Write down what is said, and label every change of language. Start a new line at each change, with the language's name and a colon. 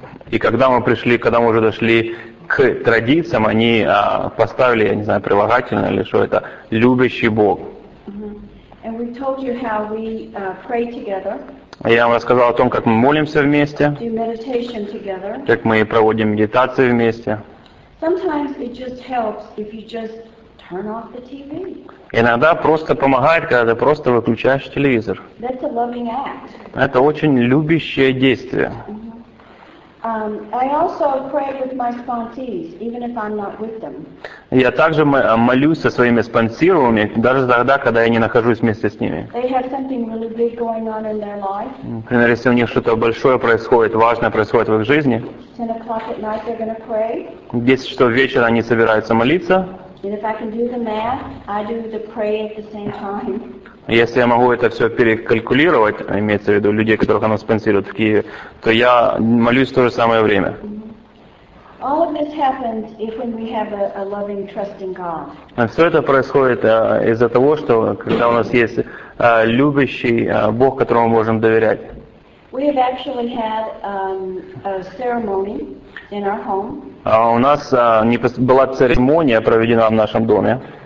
Russian: И когда мы пришли, когда мы уже дошли к традициям, они поставили, я не знаю, прилагательное или что это, любящий Бог.
English: And we told you how we pray together.
Russian: Я вам рассказал о том, как мы молимся вместе.
English: Do meditation together.
Russian: Как мы проводим медитации вместе.
English: Sometimes it just helps if you just turn off the TV.
Russian: Иногда просто помогает, когда ты просто выключаешь телевизор.
English: That's a loving act.
Russian: Это очень любящее действие.
English: I also pray with my sponsees, even if I'm not with them.
Russian: Я также молюсь со своими спонсорами, даже тогда, когда я не нахожусь вместе с ними.
English: They have something really big going on in their life.
Russian: Например, если у них что-то большое происходит, важное происходит в их жизни.
English: 10 o'clock at night they're going to pray.
Russian: 10 часов вечера они собираются молиться.
English: And if I can do the math, I do the pray at the same time.
Russian: Если я могу это все перекалькулировать, имеется в виду людей, которых оно спонсирует в Киеве, то я молюсь в то же самое время.
English: All of this happens if when we have a loving, trusting God.
Russian: Все это происходит из-за того, что когда у нас есть любящий Бог, которому мы можем доверять.
English: We have actually had a ceremony in our home.
Russian: У нас была церемония проведена в нашем доме.